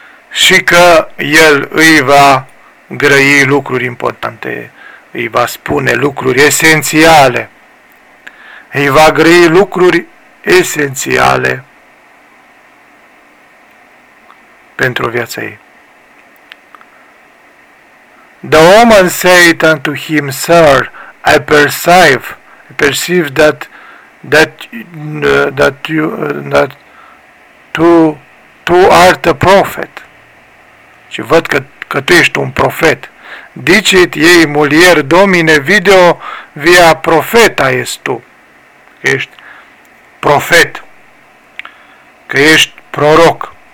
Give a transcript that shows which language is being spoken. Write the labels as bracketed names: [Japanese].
[Romanian] și că el îi va grăi lucruri importante, îi va spune lucruri esențiale, îi va grăi lucruri esențiale pentru viața ei. [English] The woman said unto him, Sir, I perceive that you art a prophet. [Romanian] Și văd că tu ești un profet. [Latin] Dicit ei mulier, Domine, video via profeta est tu. [Romanian] Ești profet. Că ești proroc.